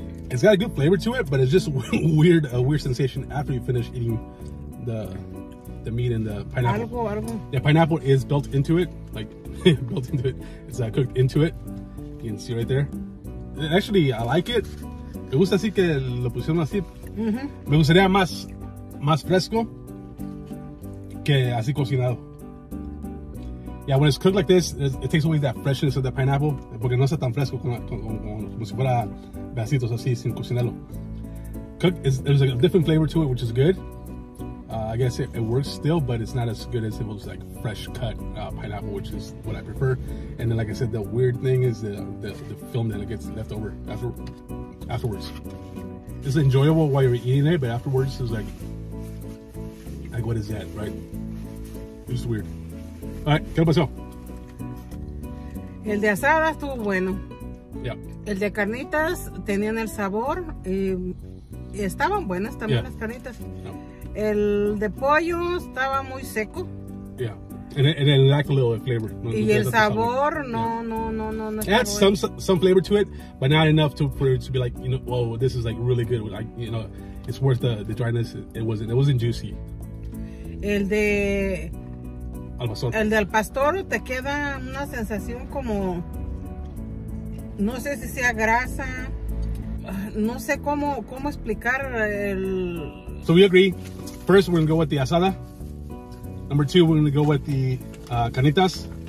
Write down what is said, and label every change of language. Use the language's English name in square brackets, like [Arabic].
[English] It's got a good flavor to it, but it's just weird, a weird sensation after you finish eating the meat and the pineapple. [Spanish] Algo. [English] The pineapple is built into it. Like, built into it. It's cooked into it. You can see right there. Actually, I like it. [Spanish] Me gusta así que lo pusieron así. Me gustaría más, más fresco que así cocinado. [English] Yeah, when it's cooked like this, it takes away that freshness of the pineapple. [Spanish] Porque no está tan fresco como si fuera vasitos así sin cocinarlo. [English] There's a different flavor to it, which is good. I guess it works still, but it's not as good as if it was like fresh cut pineapple, which is what I prefer. And then, like I said, the weird thing is the film that gets left over afterwards. It's enjoyable while you're eating it, but afterwards it's like what is that, right? It's weird. All right, [Spanish] ¿qué pasó? El de asada estuvo bueno. [English] Yeah. [Spanish] El de carnitas tenían el sabor y estaban buenas también las carnitas. El de pollo estaba muy seco. [English] Yeah. And it lacked a little flavor. [Spanish] Y el sabor, no. [English] It had some flavor to it, but not enough for it to be like, you know, oh, this is like really good. Like, you know, it's worth the dryness. It wasn't juicy. [Spanish] El del pastor te queda una sensación como, no sé si sea grasa. No sé cómo explicar el... [English] So we agree. First, we're going to go with the asada. Number two, we're going to go with the canitas.